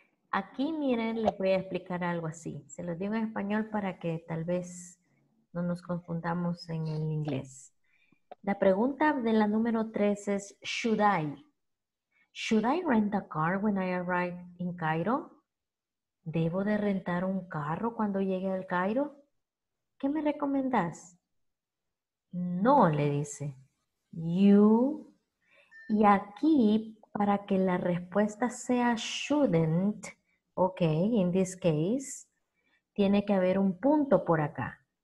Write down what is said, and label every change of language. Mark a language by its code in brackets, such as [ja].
[es] Aquí, miren, les voy a explicar algo así. Se lo digo en español para que tal vez no nos confundamos en el inglés. La pregunta de la número 3 es, [en] should I? Should I rent a car when I arrive in Cairo? [es] ¿Debo de rentar un carro cuando llegue al Cairo? ¿Qué me recomendás? No, le dice. You. Y aquí, para que la respuesta sea shouldn't, [en] ok, in this case, [es] tiene que haber un punto por acá.